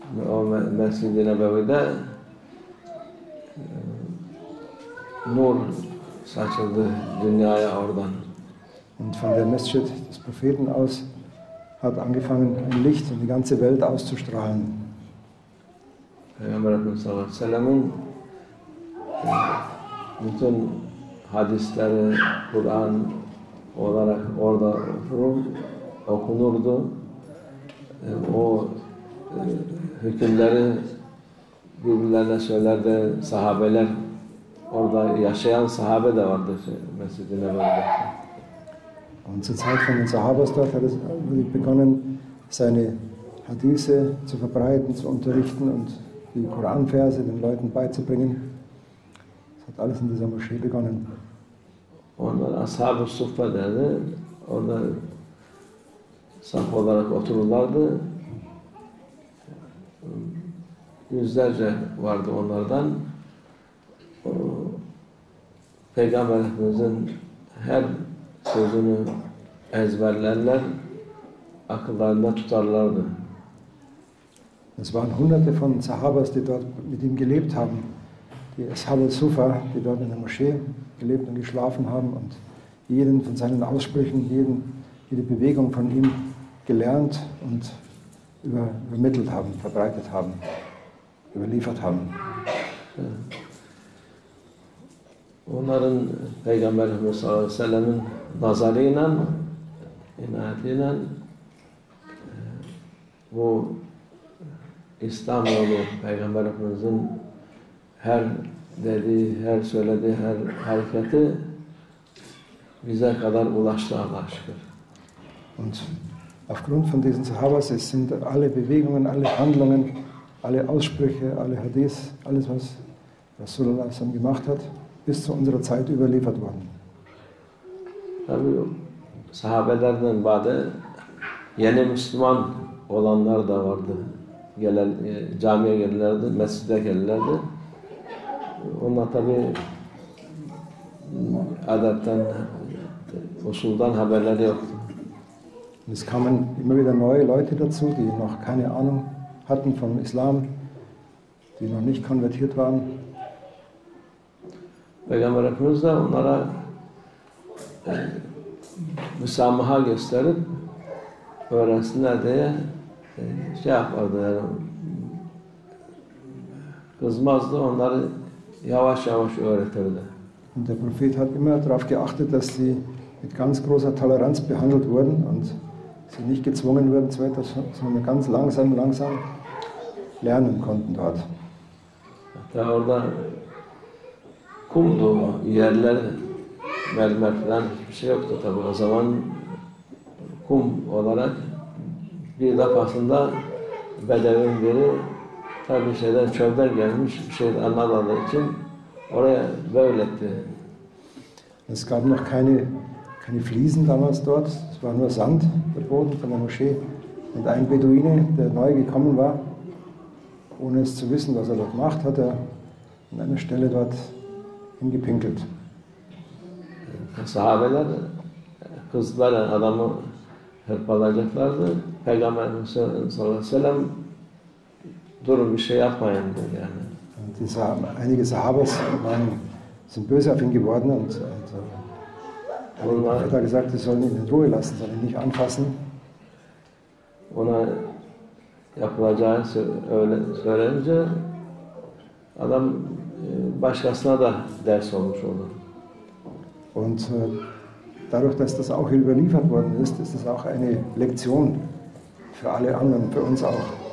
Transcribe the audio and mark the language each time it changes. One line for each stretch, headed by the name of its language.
Turkish: O Mescid-i Nebevi'de nur saçıldı dünyaya oradan.
German: Und von der Mescid des Propheten aus hat angefangen, ein Licht in die ganze Welt auszustrahlen.
Turkish: Peygamber Efendimiz sallallahu aleyhi ve sellem'in bütün hadisleri Kur'an olarak orada okunurdu. O hükümleri birbirlerine söylerdi. Sahabeler, orada yaşayan sahabe de vardı Mescid-i Nebevi'de.
German: Und zur Zeit von den Sahabas dort hat er begonnen, seine Hadithe zu verbreiten, zu unterrichten und die Koranverse den Leuten beizubringen. Das hat alles in dieser Moschee begonnen. Und dann
Turkish: Ashab-ı Suffa, derdi, orada saf olarak otururlardı. Yüzlerce vardı onlardan. Peygamberimizin her sözünü ezberlerler, akıllarında tutarlardı.
German: Es waren hunderte von Sahabas, die dort mit ihm gelebt haben. Die Ashab al-Sufa, die dort in der Moschee gelebt und geschlafen haben und jeden von seinen Aussprüchen, jede Bewegung von ihm gelernt und übermittelt haben, verbreitet haben, überliefert haben.
Turkish: Onların Peygamber sallallahu aleyhi ve sellem'in nazarıyla, inayetiyle bu İslam yolu Peygamber Efendimiz'in her dediği, her söylediği, her hareketi bize kadar ulaştı Allah'a şükür.
German: Und aufgrund von diesen Sahabas sind alle Bewegungen, alle Handlungen, alle Aussprüche, alle Hadith, alles was Rasulullah s.a.w. gemacht hat, bis zu unserer Zeit überliefert worden.
Turkish: Tabii sahabelerden bade yeni Müslüman olanlar da vardı. Camiye gelirlerdi, mescide gelirlerdi. Onlar tabii adetten, usuldan haberleri yoktu.
German: Es kamen immer wieder neue Leute dazu, die noch keine Ahnung hatten vom Islam, die noch nicht konvertiert waren.
Turkish: Peygamber Efendimiz de onlara müsamaha gösterip öğrensinler diye şey yapardı yani, kızmazdı, onları yavaş yavaş öğretirdi.
German: Und der Prophet hat immer darauf geachtet, dass sie mit ganz großer Toleranz behandelt wurden und sie nicht gezwungen wurden zu etwas, sondern ganz langsam lernen konnten dort.
Turkish: Da orada kumdu yerler, mermer falan hiçbir şey yoktu tabii. O zaman kum olarak bir defasında bedevin biri tabii şeyden, çölden gelmiş bir şey anlamadığı için oraya böyle etti.
German: Es gab noch keine Fliesen damals dort. Es war nur Sand, der Boden von der Moschee. Und ein Beduine, der neu gekommen war, ohne es zu wissen, was er dort macht, hat er an einer Stelle dort hingepinkelt.
Turkish: Sahabeler, kızlar adamı hırpalayacaklardı. Peygamber sallallahu aleyhi ve sellem, durun bir şey yapmayın dedi yani.
German: Und einige Sahabas sind böse auf ihn geworden und hat er gesagt, sie sollen ihn in Ruhe lassen, sollen ihn nicht anfassen.
Turkish: Ona yapılacağı öyle söylenince adam başkasına da ders olmuş oldu.
German: Und dadurch, dass das auch überliefert worden ist, ist es auch eine Lektion für alle anderen, für uns auch.